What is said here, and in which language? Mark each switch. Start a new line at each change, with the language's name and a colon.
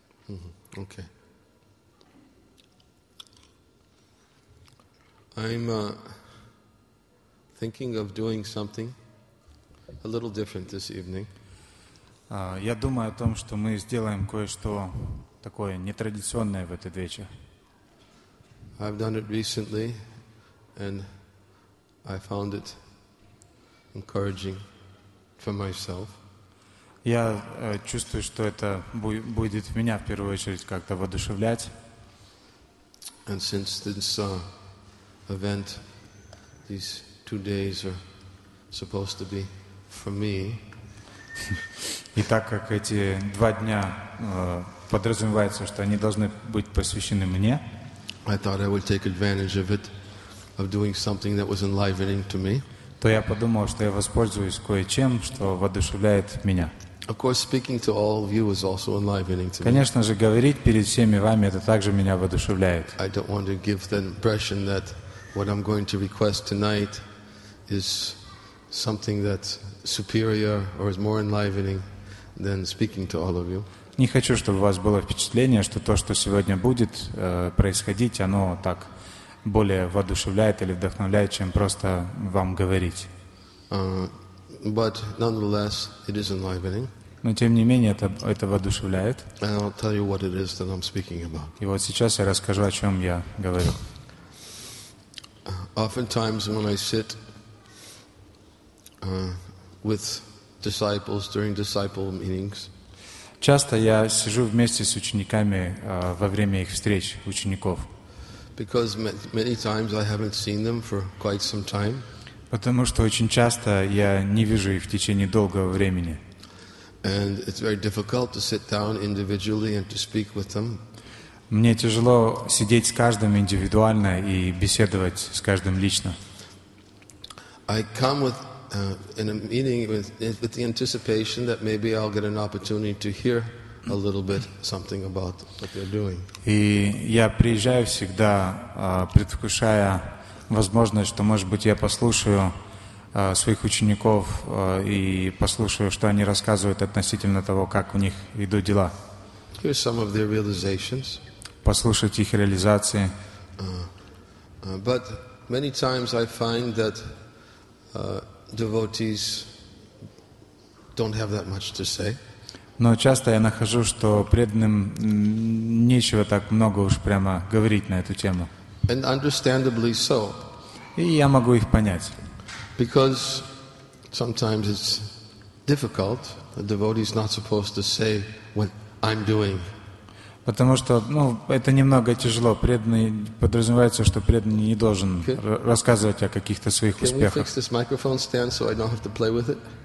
English: Mm-hmm. Okay. I'm thinking of doing something a little different this evening.
Russian: Я думаю о том, что мы сделаем кое-что такое нетрадиционное в этот вечер.
English: I've done it recently, and I found it encouraging for myself.
Russian: Я чувствую, что это будет меня в первую очередь как-то воодушевлять.
English: And since this event, these 2 days are supposed to be for me.
Russian: И так как эти 2 дня подразумевается, что они должны быть посвящены мне, то я подумал, что я воспользуюсь кое-чем, что воодушевляет меня.
English: Of course, speaking to all of you is also enlivening to me.
Russian: Конечно же, говорить перед всеми вами это также меня воодушевляет.
English: I don't want to give the impression that what I'm going to request tonight is something that's superior or is more enlivening than speaking to all of you.
Russian: Не хочу, чтобы у вас было впечатление, что то, что сегодня будет происходить, оно так более воодушевляет или вдохновляет, чем просто вам говорить.
English: But nonetheless, it is enlivening.
Russian: Но тем не менее это воодушевляет.
English: And I'll tell you what it is that I'm speaking about.
Russian: И вот сейчас я расскажу, о чем я говорю.
English: Oftentimes, when I sit with disciples during disciple meetings.
Russian: Часто я сижу вместе с учениками во время их встреч учеников.
English: Because many times I haven't seen them for quite some time.
Russian: Потому что очень часто я не вижу их в течение долгого времени.
English: And it's very difficult to sit down individually and to speak with them.
Russian: Мне тяжело сидеть с каждым индивидуально и беседовать с каждым лично.
English: I come with in a meeting with the anticipation that maybe I'll get an opportunity to hear a little bit something about what they're doing.
Russian: И я приезжаю всегда, предвкушая возможность, что, может быть, я послушаю своих учеников и послушаю, что они рассказывают относительно того, как у них идут дела.
English: Here's some of their realizations.
Russian: Послушать их реализации.
English: But many times I find that devotees don't have that much to say.
Russian: Но часто я нахожу, что преданным нечего так много уж прямо говорить на эту тему.
English: And understandably so.
Russian: И я могу их понять.
English: Because sometimes it's difficult. A devotee is not supposed to say what I'm doing.
Russian: Потому что, ну, это немного тяжело. Преданный подразумевается, что преданный не должен рассказывать о каких-то своих успехах.
English: Can we fix this microphone stand so I don't have to play with it?